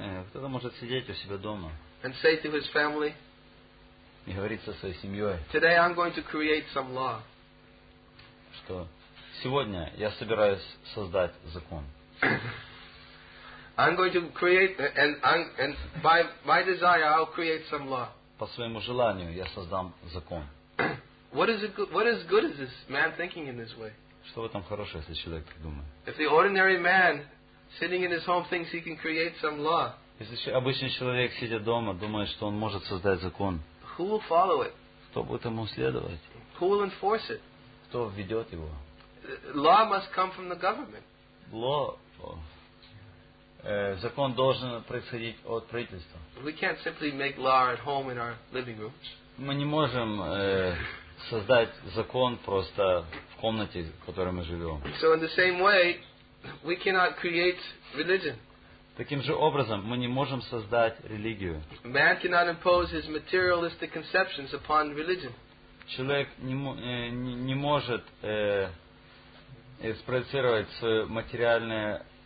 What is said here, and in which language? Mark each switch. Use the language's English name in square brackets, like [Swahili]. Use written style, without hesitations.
[Russian] Кто-то может сидеть у себя дома. [English] And say to his family. [Russian] И говорить со своей семьей. [English] Today I'm going to create some law. [Russian] Что сегодня я собираюсь создать закон. [English] I'm going to create and by my desire I'll create some law. [Russian] По своему желанию я создам закон. [English] What is good is this man thinking in this way? [Russian] Что в этом хорошее, если человек так думает? [English] If the ordinary man sitting in his home thinks he can create some law. [Russian] Если обычный человек сидя дома думает, что он может создать закон. [English] Who will follow it? [Russian] Кто будет ему следовать? [English] Who will enforce it? [Russian] Кто введет его? [English] Law must come from the government. Law. [Russian] Закон должен происходить от правительства. [English] We can't simply make law at home in our living rooms. [Russian] Мы не можем создать закон просто в комнате, в которой мы живем. [English] So in the same way, we cannot create religion. [Russian] Таким же образом, мы не можем создать религию. [English] Man cannot impose his materialistic conceptions upon religion. [Russian] Человек не может спроецировать свое материальное